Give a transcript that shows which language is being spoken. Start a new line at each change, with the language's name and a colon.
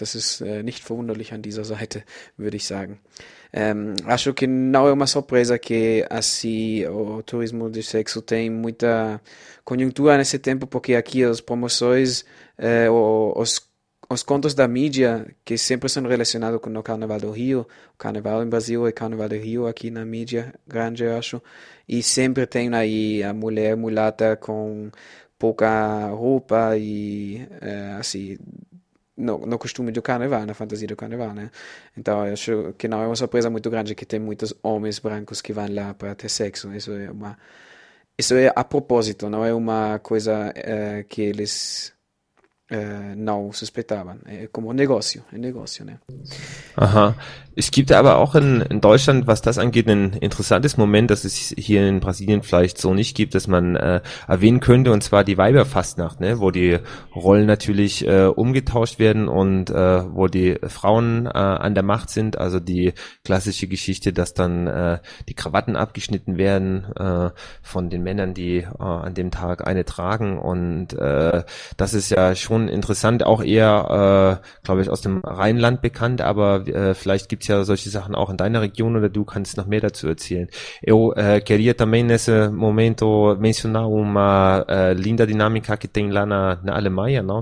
German: Das ist nicht verwunderlich an dieser Seite, würde ich sagen.
Portuguese: Acho que não é uma surpresa que assim o turismo de sexo tem muita conjuntura nesse tempo, porque aqui as promoções, os contos da mídia, que sempre são relacionados com o Carnaval do Rio, o Carnaval em Brasil e o Carnaval do Rio aqui na mídia grande, eu acho, e sempre tem aí a mulher mulata com pouca roupa e assim... No costume do carnaval, na fantasia do carnaval, né? Então, eu acho que não é uma surpresa muito grande que tem muitos homens brancos que vão lá para ter sexo. Isso é a propósito, não é uma coisa que eles não suspeitavam. É como um negócio, né? Aham.
German: Es gibt aber auch in Deutschland, was das angeht, ein interessantes Moment, das es hier in Brasilien vielleicht so nicht gibt, dass man erwähnen könnte, und zwar die Weiberfastnacht, ne, wo die Rollen natürlich umgetauscht werden und wo die Frauen an der Macht sind, also die klassische Geschichte, dass dann die Krawatten abgeschnitten werden von den Männern, die an dem Tag eine tragen, und das ist ja schon interessant, auch eher, glaube ich, aus dem Rheinland bekannt, aber vielleicht gibt es ja solche Sachen auch in deiner Region oder du kannst noch mehr dazu erzählen.
Portuguese: Eu queria também nesse momento mencionar uma linda dinâmica que tem lá na Alemanha, não?